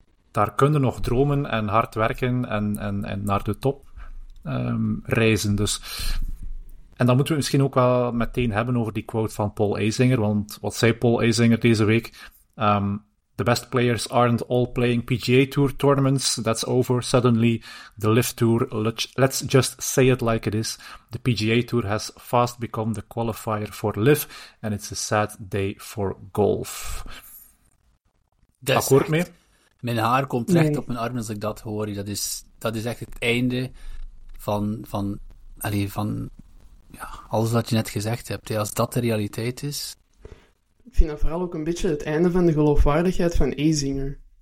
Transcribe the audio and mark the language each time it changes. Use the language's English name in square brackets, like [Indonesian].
[Dutch] Daar kunnen nog dromen en hard werken en naar de top reizen. Dus. En dan moeten we misschien ook wel meteen hebben over die quote van Paul Eisinger. Want wat zei Paul Eisinger deze week? [English] The best players aren't all playing PGA Tour tournaments. That's over. Suddenly, the LIV Tour, let's just say it like it is. The PGA Tour has fast become the qualifier for LIV. And it's a sad day for golf. [Dutch] That's akkoord echt. Mee? Mijn haar komt recht op mijn arm als ik dat hoor. Dat is echt het einde van alles wat je net gezegd hebt. Als dat de realiteit is... Ik vind dat vooral ook een beetje het einde van de geloofwaardigheid van Eisinger.